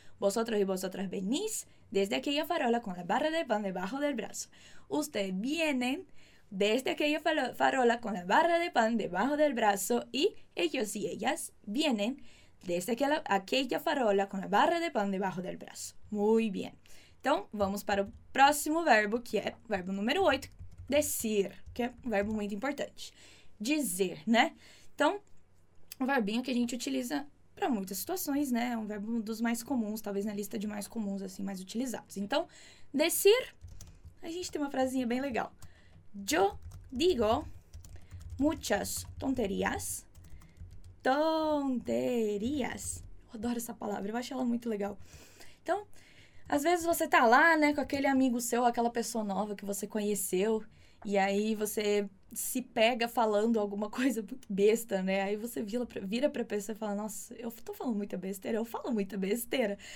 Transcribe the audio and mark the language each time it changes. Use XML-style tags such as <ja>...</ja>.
<es>Vosotros y vosotras venís desde aquella farola con la barra de pan debajo del brazo. Usted viene desde aquella farola con la barra de pan debajo del brazo. Y ellos y ellas vienen desde aquella farola con la barra de pan debajo del brazo. Muy bien.</es> <pt>Então, vamos para o próximo verbo, que é o verbo número 8, decir, que é um verbo muito importante. Dizer, né? Então, um verbinho que a gente utiliza para muitas situações, né? É um verbo dos mais comuns, talvez na lista de mais comuns, assim, mais utilizados. Então, decir, a gente tem uma frasinha bem legal.</pt> <es>Yo digo muchas tonterías. Tonterías.</es> <pt>Eu adoro essa palavra, eu acho ela muito legal. Então, às vezes você tá lá, né, com aquele amigo seu, aquela pessoa nova que você conheceu, e aí você se pega falando alguma coisa muito besta, né? Aí você vira pra pessoa e fala, nossa, eu tô falando muita besteira, eu falo muita besteira.</pt>